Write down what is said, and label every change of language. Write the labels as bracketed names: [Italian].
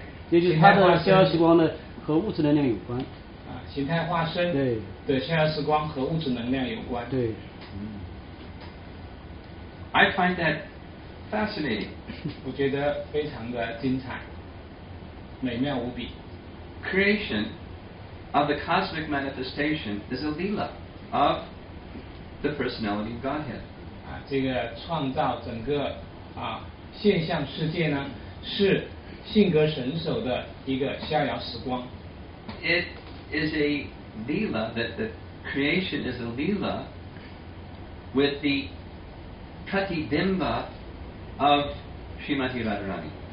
[Chinese] 也就是它的逍遥时光呢和物质能量有关。啊，形态化身对的逍遥时光和物质能量有关。对。 [English] I find that fascinating. [Chinese] 我觉得非常的精彩，美妙无比。 [English] Creation of the cosmic manifestation is a lila of the personality of Godhead. [Chinese] 啊，这个创造整个啊现象世界呢是。性格神手的一个逍遥时光。 [English] It is a lila that the creation is a lila with the pratibimba of Srimati Radharani.